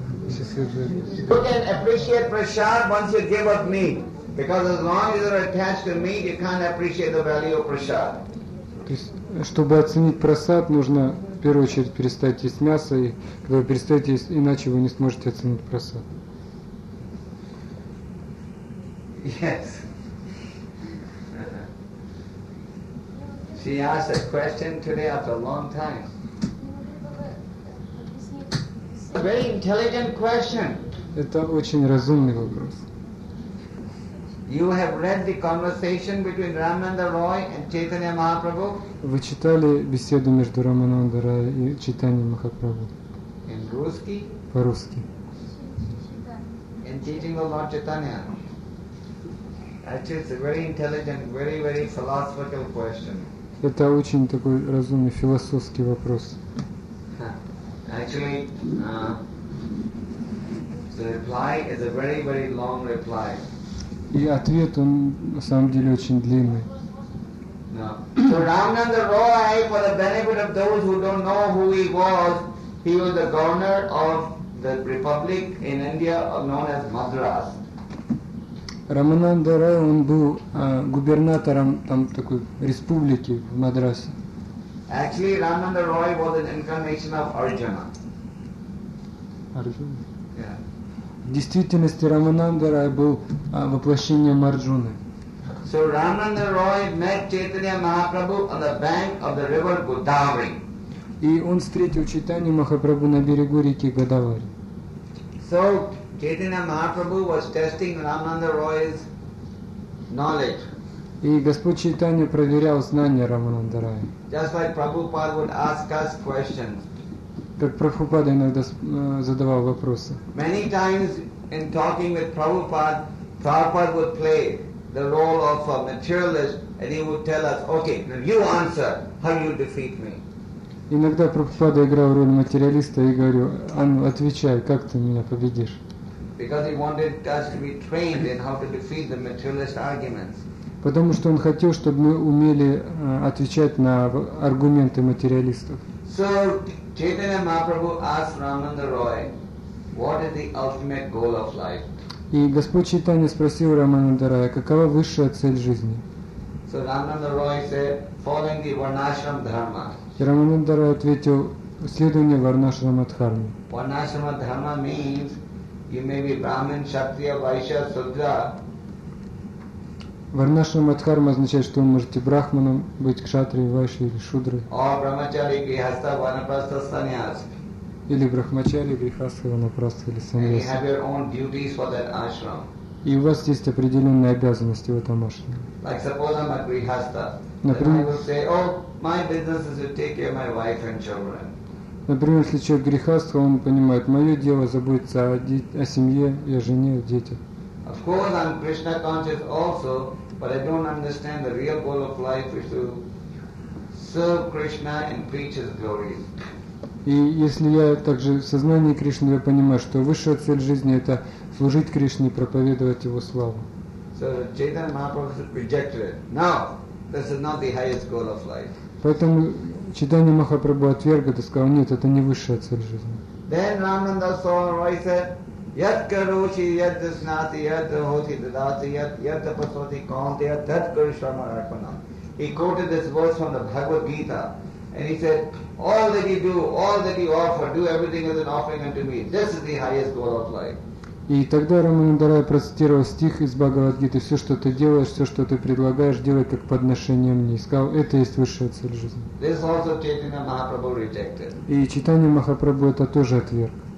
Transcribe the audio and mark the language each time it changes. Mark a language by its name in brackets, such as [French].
[English] You can appreciate prasad once you give up meat, because as long as you're attached to meat, you can't appreciate the value of prasad. [Russian] То есть, чтобы оценить прасад, нужно в первую очередь перестать есть мясо, и когда вы перестаете есть, иначе вы не сможете оценить прасад. [English] Yes. She asked a question today after a long time. A very intelligent question. [Russian] Это очень разумный вопрос. [English] You have read the conversation between Ramananda Roy and Chaitanya Mahaprabhu? [Russian] Вы читали беседу между Рамананда Рой и Чайтанья Махапрабху? [English] In Ruski? [Russian] По-русски. [English] In teaching of Lord Chaitanya. Actually, it's a very intelligent, very, very philosophical question. [Russian] Это очень такой разумный философский вопрос. [English] Actually, the reply is a very, very long reply. [Russian] И ответ, он на самом деле очень длинный. [English] No. So Ramananda Roy, for the benefit of those who don't know who he was the governor of the republic in India known as Madras. [Russian] Рамананда Рой, он был губернатором там такой республики в Мадрасе. [English] Actually, Ramananda Roy was an incarnation of Arjuna. Arjuna? Yeah. [Russian] В действительности, Рамананда Рой был воплощением Арджуны. [English] So, Ramananda Roy met Chaitanya Mahaprabhu on the bank of the river Godavari. [Russian] И он встретил Чайтанью Махапрабху на берегу реки Годавари. [English] So, Chaitanya Mahaprabhu was testing Ramananda Roy's knowledge. [Russian] И Господь Чайтанья проверял знания Рамананда Рой. [English] Just like Prabhupada would ask us questions. [Russian] Как Прабхупада иногда задавал вопросы. [English] Many times in talking with Prabhupada, Prabhupada would play the role of a materialist and he would tell us, okay, now you answer, how you defeat me. [Russian] Иногда Прабхупада играл роль материалиста и говорил, отвечай, как ты меня победишь. [English] because he wanted us to be trained in how to defeat the materialist arguments. [Russian] Потому что он хотел, чтобы мы умели отвечать на аргументы материалистов. [English] So Chaitanya Mahaprabhu asked Ramananda Roy, "What is the ultimate goal of life?" [Russian] И Господь Чайтанья спросил Рамананда Роя, какова высшая цель жизни? [English] So Ramananda Roy said, "Following the Varnashram Dharma." [Russian] И Рамананда Роя ответил, следование Варнашрама Дхарме. [English] Varnashrama Dharma means you may be Brahmin, Kshatriya, Vaishya, Sudra. [Russian] Варнашрама Дхарма означает, что вы можете брахманом быть, кшатрией, вайшей или шудрой. О, брахмачари, грихаста, ванапраста, саньяс. Или брахмачари, грихаста, ванапраста или саньяс. [English] You have your own duties for that ashram. [Russian] И у вас есть определенные обязанности в этом ашраме. [English] Like suppose I'm a grihasta, [Russian] например, [English] then I will say, oh, my business is to take care of my wife and children. [Russian] Например, если человек грихаста, он понимает, мое дело заботиться о семье, о жене, о детях. [English] Of course, I'm Krishna conscious also, but I don't understand the real goal of life is to serve Krishna and preach His glories. [Russian] И если я также в сознании Кришны, я понимаю, что высшая цель жизни это служить Кришне и проповедовать Его славу. [English] So Chaitanya Mahaprabhu rejected it. Now, this is not the highest goal of life. [Russian] Поэтому Чайтанья Махапрабху отверг это, сказал, нет, это не высшая цель жизни. [English] Then Ramananda saw Roy said. [Sanskrit] Yat karoshi, yat dasnati, yat dhoti dadati, yat tapaswati kaunti, yat tat karishrama arpana. [English] He quoted this verse from the Bhagavad Gita and he said, all that you do, all that you offer, do everything as an offering unto me. This is the highest goal of life. [Russian] И тогда Рамананда Рай процитировал стих из Бхагавад Гиты, все, что ты делаешь, все, что ты предлагаешь, делай как подношение мне. И сказал, это есть высшая цель жизни. [English] This also Chaitanya Mahaprabhu rejected. [Russian] И Чайтанья Махапрабху это тоже отверг.